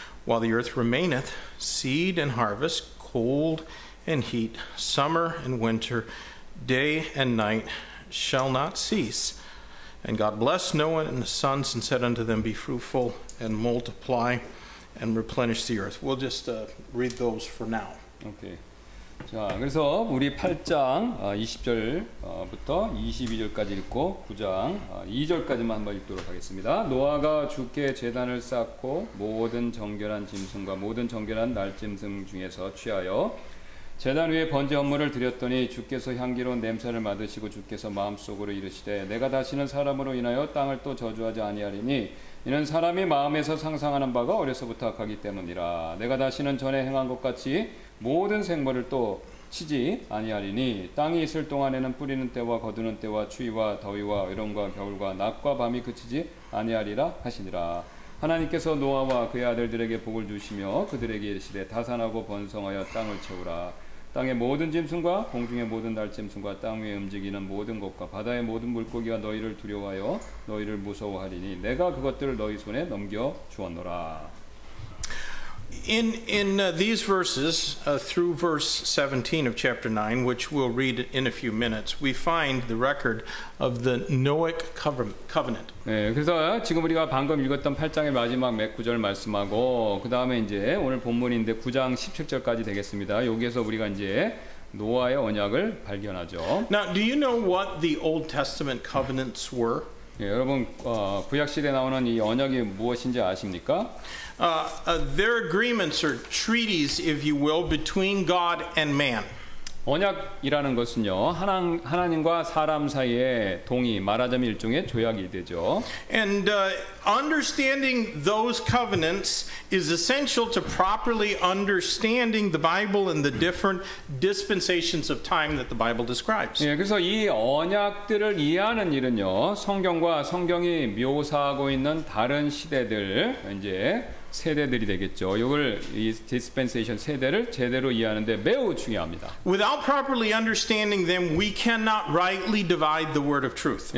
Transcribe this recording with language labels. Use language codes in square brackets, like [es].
[en] While the earth remaineth, seed and harvest, cold and heat, summer and winter, day and night shall not cease. And God blessed Noah and his sons and said unto them, be fruitful and multiply and replenish the earth. We'll just read those for now. Okay. [ko] 자, 그래서 우리 8장 20절부터 22절까지 읽고 9장 2절까지만 한번 읽도록 하겠습니다. 노아가 주께 제단을 쌓고 모든 정결한 짐승과 모든 정결한 날짐승 중에서 취하여 제단 위에 번제 헌물을 드렸더니 주께서 향기로운 냄새를 맡으시고 주께서 마음속으로 이르시되 내가 다시는 사람으로 인하여 땅을 또 저주하지 아니하리니 이는 사람이 마음에서 상상하는 바가 어려서부터 악하기 때문이라 내가 다시는 전에 행한 것 같이 모든 생물을 또 치지 아니하리니 땅이 있을 동안에는 뿌리는 때와 거두는 때와 추위와 더위와 여름과 겨울과 낮과 밤이 그치지 아니하리라 하시니라 하나님께서 노아와 그의 아들들에게 복을 주시며 그들에게 이르시되 다산하고 번성하여 땅을 채우라 땅의 모든 짐승과 공중의 모든 날짐승과 땅 위에 움직이는 모든 것과 바다의 모든 물고기가 너희를 두려워하여 너희를 무서워하리니 내가 그것들을 너희 손에 넘겨 주었노라. [en] In these verses, through verse 17 of chapter 9, which we'll read in a few minutes, we find the record of the Noahic covenant. [ko] 네, 그래서 지금 우리가 방금 읽었던 8장의 마지막 몇 구절 말씀하고 그 다음에 이제 오늘 본문인데 9장 17절까지 되겠습니다. 여기에서 우리가 이제 노아의 언약을 발견하죠. [en] Now, do you know what the Old Testament covenants were? [ko] 네, 여러분 구약 시대에 나오는 이 언약이 무엇인지 아십니까? [en] Their agreements or treaties, if you will, between God and man. [ko] 언약이라는 것은요 하나님과 사람 사이의 동의, 말하자면 일종의 조약이 되죠. [en] And understanding those covenants is essential to properly understanding the Bible and the different dispensations of time that the Bible describes. [ko] 예, 그래서 이 언약들을 이해하는 일은요 성경과 성경이 묘사하고 있는 다른 시대들 이제 세대들이 되겠죠. 이걸 이 dispensation 세대를 제대로 이해하는데 매우 중요합니다. [en] Without properly understanding them, we cannot rightly divide the word of truth.